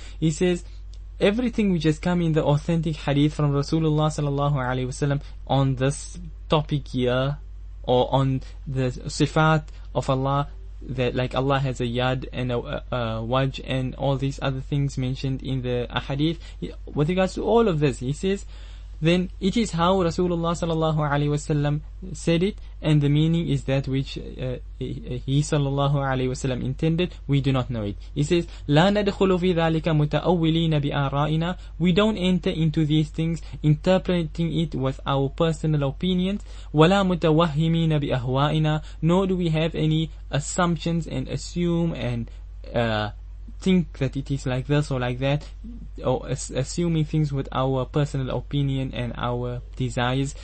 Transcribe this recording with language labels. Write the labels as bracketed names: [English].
[English] He says, everything which has come in the authentic hadith from Rasulullah sallallahu alayhi wasallam on this topic here, or on the sifat of Allah, that like Allah has a yad and a waj and all these other things mentioned in the hadith, with regards to all of this, he says, then it is how Rasulullah sallallahu alayhi wasallam said it, and the meaning is that which he sallallahu alayhi wasallam intended. We do not know it. He says, [Arabic] لَا نَدْخُلُ فِي ذَلِكَ مُتَأَوِّلِينَ بِآرَائِنَا. [English] We don't enter into these things interpreting it with our personal opinions. [Arabic] وَلَا مُتَوَهِّمِينَ بِأَهْوَائِنَا. [English] Nor do we have any assumptions and assume and think that it is like this or like that, or assuming things with our personal opinion and our desires.